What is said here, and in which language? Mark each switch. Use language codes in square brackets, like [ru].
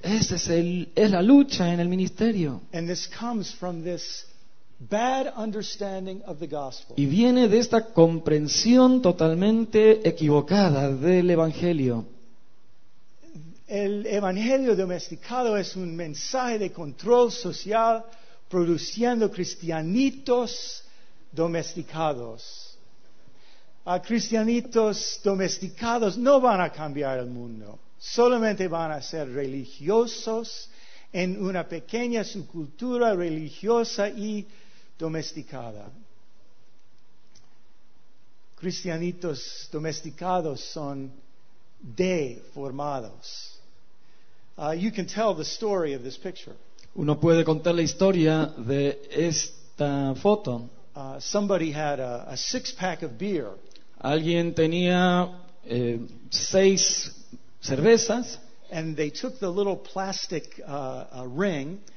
[es] Este es el, es la lucha en el ministerio. [en] And this comes from this bad understanding of the gospel. [es] Y viene de esta comprensión totalmente equivocada del evangelio. El evangelio domesticado es un mensaje de control social produciendo cristianitos domesticados. A cristianitos domesticados no van a cambiar el mundo. Solamente van a ser religiosos en una pequeña subcultura religiosa y domesticada. Cristianitos domesticados son deformados. [en] You can tell the story of this picture. [es] Uno puede contar la historia de esta foto. [en] Somebody had a six-pack of beer. [es] Alguien tenía seis cervezas. [en] And they took the little plastic ring.